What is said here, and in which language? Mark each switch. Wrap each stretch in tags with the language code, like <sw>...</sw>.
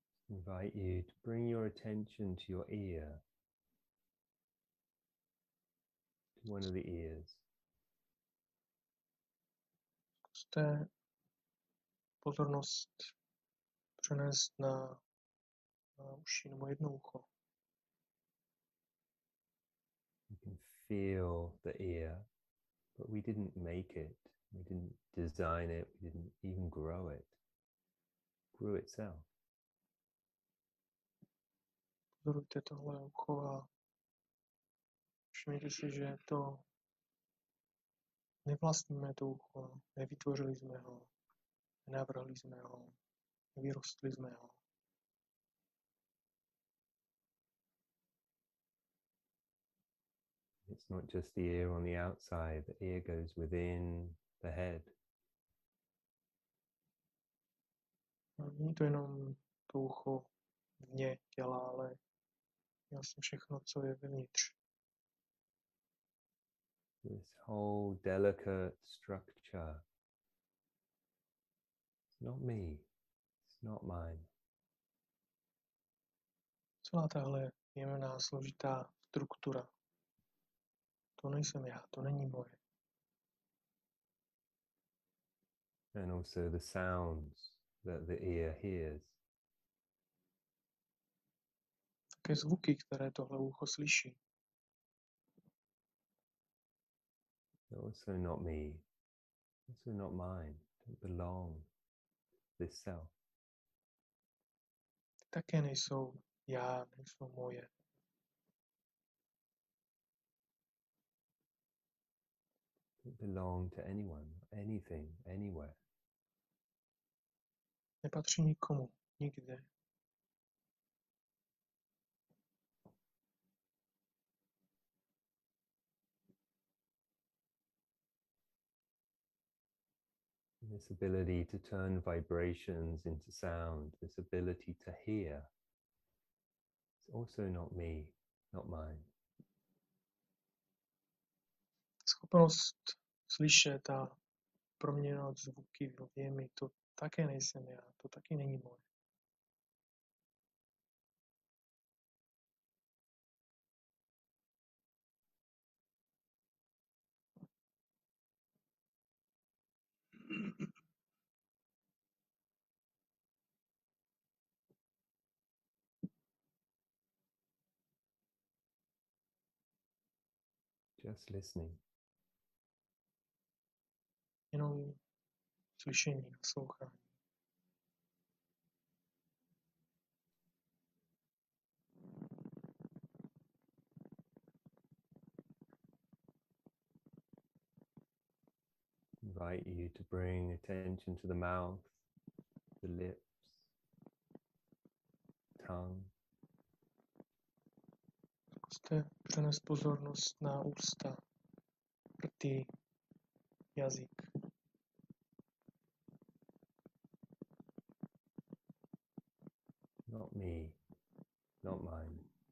<en>Invite you to bring your attention to your ear, to one of the ears.</en> <cs>Zkuste pozornost přenést na uši nebo jedno ucho.</cs> <en>You can feel the ear, but we didn't make it. We didn't design it. We didn't even grow it. It grew itself.</en> <cs>Pozorujte tohle ucho a všimněte si, že to nevlastníme to ucho, nevytvořili jsme ho, nenavrhli jsme ho, nevyrostli jsme ho.</cs> <en>It's not just the ear on the outside, the ear goes within the head.</en> <cs>Není to jenom to ucho vně těla, ale já jsem všechno, co je vnitř.</cs> <en>This whole delicate structure. It's not me. It's not mine.</en> <cs>Celá tahle jemená, složitá struktura. To nejsem já, to není moje.</cs> <en>And also the sounds that the ear hears.</en> <cs>Také zvuky, které tohle ucho slyší.</cs> <en>Also not me. Also not mine. Don't belong this self.</en> <cs>Také nejsou já, nejsou moje.</cs> <en>Don't belong to anyone, anything, anywhere.</en> <cs>Nepatří nikomu, nikde.</cs> <en>And This ability to turn vibrations into sound, this ability to hear, it's also not me, not mine.</en> <cs>Schopnost slyšet a proměňovat zvuky v objemy, to také nejsem já, to taky není moje.</cs> <en>Just listening.</en> <cs>Jenom slyšení, naslouchání.</cs> <en>Invite you to bring attention to the mouth, the lips, tongue.</en> <cs>Zkuste přenést pozornost na ústa, rty, jazyk.</cs> <en>Not me, not mine.</en>